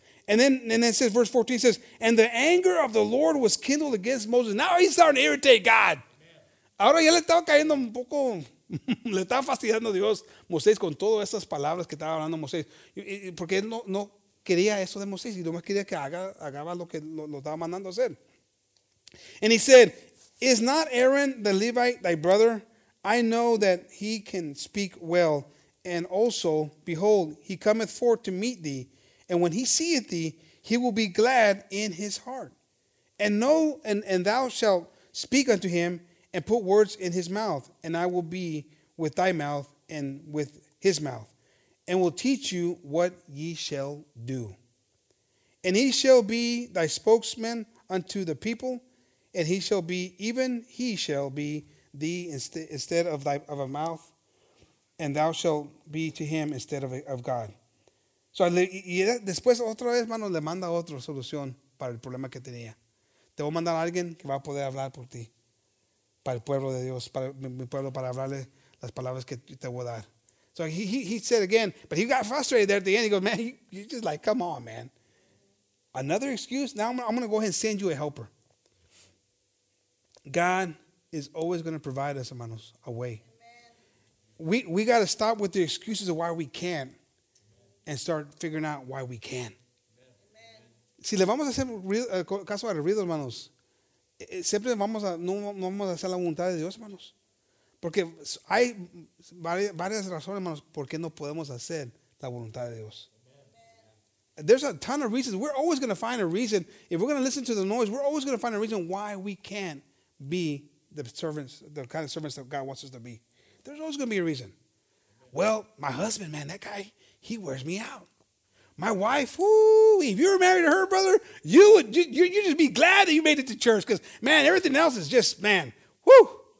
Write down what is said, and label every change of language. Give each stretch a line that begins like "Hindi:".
English: And then it says, verse 14 says, and the anger of the Lord was kindled against Moses. Now he's starting to irritate God.
Spanish: Ahora ya le estaba cayendo un poco, le estaba fastidiando Dios, Moisés, con todas esas palabras que estaba hablando Moisés. Porque él no quería eso de Moisés, y nomás quería que haga lo que lo estaba mandando hacer.
English: And he said, is not Aaron the Levite thy brother? I know that he can speak well. And also, behold, he cometh forth to meet thee. And when he seeth thee, he will be glad in his heart. And thou shalt speak unto him, and put words in his mouth. And I will be with thy mouth and with his mouth, and will teach you what ye shall do. And he shall be thy spokesman unto the people, and he shall be, even he shall be thee instead of thy of a mouth, and thou shalt be to him instead of God.
Spanish: So, y después otra vez, hermano, le manda otra solución para el problema que tenía. Te voy a mandar a alguien que va a poder hablar por ti, para el pueblo de Dios, para mi pueblo, para hablarle las palabras que te voy a dar.
English: So he said again, but he got frustrated there at the end. He goes, man, you just like, come on, man. Another excuse? Now I'm going to go ahead and send you a helper. God is always going to provide us, hermanos, a way. We got to stop with the excuses of why we can't and start figuring out why we can.
Spanish: Amen. Si le vamos a hacer caso a Rido, hermanos, siempre no vamos a hacer la voluntad de Dios, hermanos. Porque hay varias razones, hermanos, por qué no podemos hacer la voluntad de Dios.
English: Amen. There's a ton of reasons. We're always going to find a reason. If we're going to listen to the noise, we're always going to find a reason why we can't be the servants, the kind of servants that God wants us to be. There's always going to be a reason. Amen. Well, my husband, man, that guy, he wears me out. My wife, whoo, if you were married to her, brother, you'd just be glad that you made it to church because, man, everything else is just, man, whoo.